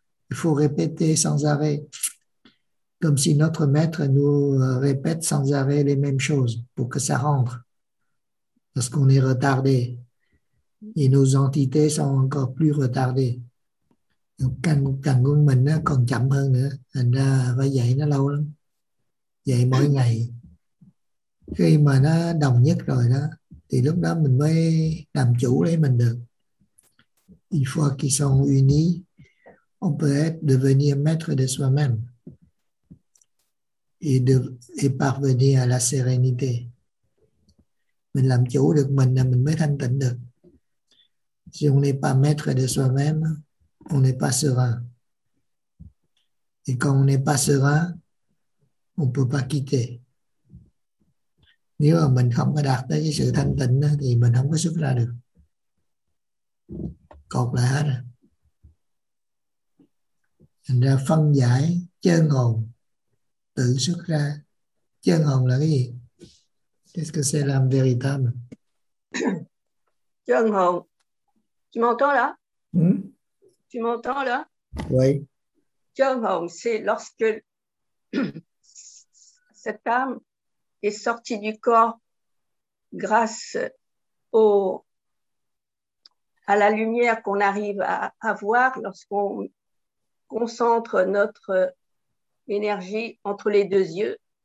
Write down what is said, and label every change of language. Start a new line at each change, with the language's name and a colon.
French: Il faut répéter sans arrêt, comme si notre maître nous répète sans arrêt les mêmes choses pour que ça rentre, parce qu'on est retardé et nos entités sont encore plus retardées.
Vietnamese: Càng của mình nó còn chậm hơn nữa, thành ra phải dạy nó lâu lắm, dạy mỗi ngày. Khi mà nó đồng nhất rồi đó thì lúc đó mình mới làm chủ lấy mình được.
French: Une fois qu'ils sont unis, on peut devenir maître de soi-même et parvenir à la sérénité.
Vietnamese: Mình làm chủ được mình là mình mới thanh tịnh được.
French: Si on n'est pas maître de soi-même, on n'est pas serein. Et quand on n'est pas serein, on ne peut pas quitter.
Vietnamese: Nếu mà mình không có đạt tới cái sự thanh tịnh đó, thì mình không có xuất ra được. Cột lại hết rồi. Thành ra phân giải chân hồn tự xuất ra. Chân hồn là cái gì?
French: Qu'est-ce que c'est l'âme véritable? Chân hồn. Tu m'entends là? Tu m'entends là? Oui. Chân hồn, c'est lorsque cette âme est sorti du corps grâce à la lumière qu'on arrive à voir lorsqu'on concentre notre énergie entre les deux yeux